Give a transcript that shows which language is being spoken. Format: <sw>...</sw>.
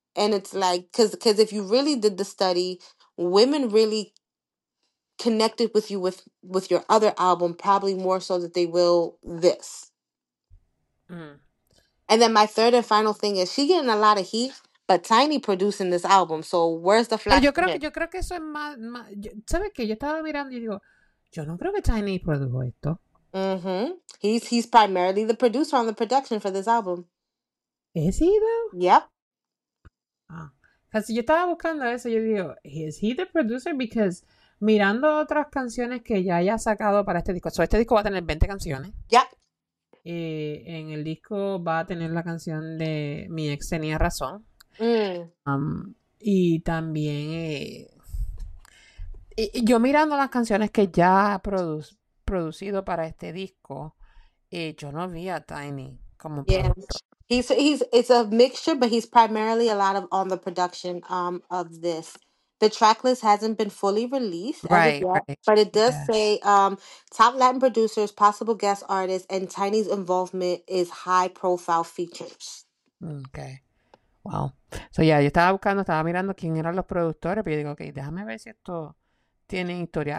<en>And it's like, because if you really did the study, women really connected with you with your other album, probably more so that they will this. Mm. And then my third and final thing is she getting a lot of heat. But Tiny producing this album, so where's the flash?</en> <es>Yo creo que eso es más. ¿Sabes qué? Yo estaba mirando y digo, yo no creo que Tiny produjo esto. Mm-hmm.</es> <en>He's primarily the producer on the production for this album. Is he though? Yep.</en> <es>Ah, si yo estaba buscando eso, yo digo,</es> <en>is he the producer?</en> <es>Because mirando otras canciones que ya haya sacado para este disco, so este disco va a tener 20 canciones.</es> <en>Yep.</en> <es>En el disco va a tener la canción de Mi Ex Tenía Razón. Mm. Y también yo mirando las canciones que ya ha producido para este disco, yo no vi a Tiny como</es> <en>yeah. he's it's a mixture, but he's primarily a lot of on the production of this. The tracklist hasn't been fully released, but it does say top Latin producers, possible guest artists, and Tiny's involvement is high profile features. Okay. Wow.</en> <es>So, yeah, yo estaba mirando quién eran los productores, pero yo digo, okay, déjame ver si esto tiene historia.</es>